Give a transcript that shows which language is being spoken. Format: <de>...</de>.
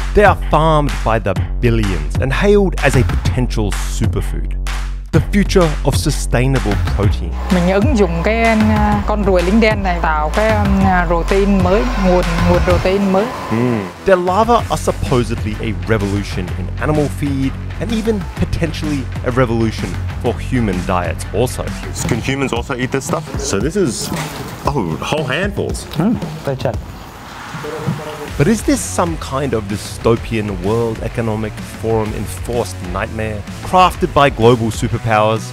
<en>They are farmed by the billions and hailed as a potential superfood. The future of sustainable protein.</en> <vi>Mình ứng dụng cái con ruồi lính đen này tạo cái protein mới, nguồn protein mới.</vi> <en>Their larvae are supposedly a revolution in animal feed and even potentially a revolution for human diets also. Can humans also eat this stuff? So this is, whole handfuls. Great chat. But is this some kind of dystopian World Economic Forum enforced nightmare crafted by global superpowers?</en>